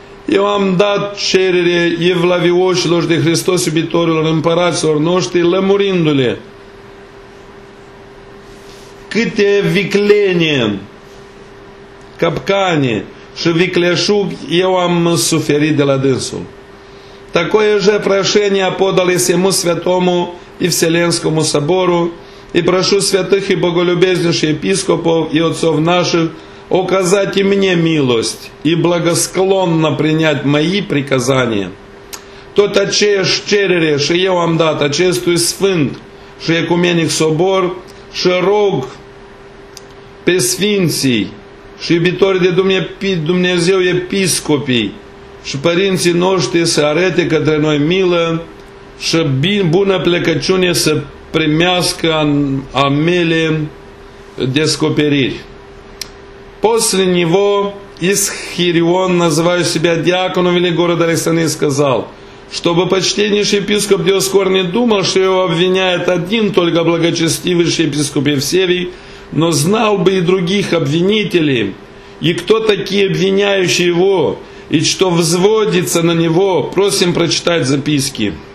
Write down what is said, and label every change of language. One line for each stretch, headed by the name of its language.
Romanian: eu am dat cerere evlavioșilor și de Hristos iubitorilor împăraților noștri, lămurindu-le câte viclenie, capcane și vicleșug eu am suferit de la dânsul.
Russian: Такое же прошение подали всему святому и Вселенскому собору, и прошу святых и боголюбезнейших епископов и отцов наших оказать и мне милость и благосклонно принять мои приказания.
Romanian: tot aceeași cerere și eu am dat acestui Sfânt și Ecumenic Sobor și rog pe Sfinții și iubitorii de Dumnezeu episcopii și părinții noștri să arete către noi milă și bună plecăciune să primească a mele descoperiri.
Russian: После него Исхирион, называющий себя диаконом Великогорода Александрии, сказал, чтобы почтеннейший епископ Диоскор не думал, что его обвиняет один только благочестивый епископ Евсевий, но знал бы и других обвинителей, и кто такие обвиняющие его, и что взводится на него, просим прочитать записки.